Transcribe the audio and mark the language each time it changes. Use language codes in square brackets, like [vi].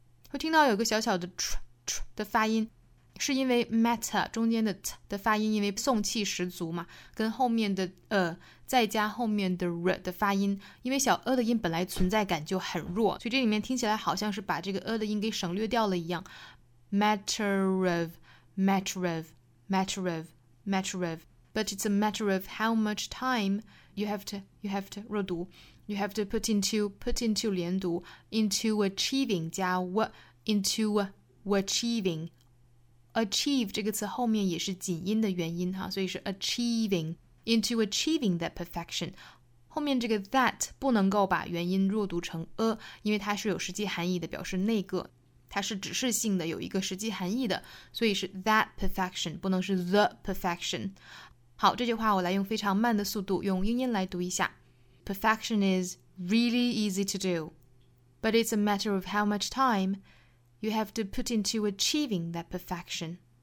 [zh] 会听到有个小小的 tr, tr 的发音，是因为 matter 中间的 t 的发音因为送气十足嘛，跟后面的 再加后面的 r 的发音，因为小 的音本来存在感就很弱，所以这里面听起来好像是把这个 的音给省略掉了一样。 [en] Matter of, matter of, matter of, matter of, but it's a matter of how much time you have to [zh] 弱读 [en] you have to put into [zh] 连读 [en] into achieving [zh] 加 [en] w into achieving。 Achieve 这个词后面也是紧音的元音哈，所以是 achieving into achieving that perfection, 后面这个 that 不能够把元音弱读成 因为它是有实际含义的，表示那个，它是指示性的，有一个实际含义的，所以是 that perfection, 不能是 the perfection。 [zh] 好，这句话我来用非常慢的速度用英音来读一下。 [en] Perfection is really easy to do, but it's a matter of how much timeYou have to put into achieving that perfection.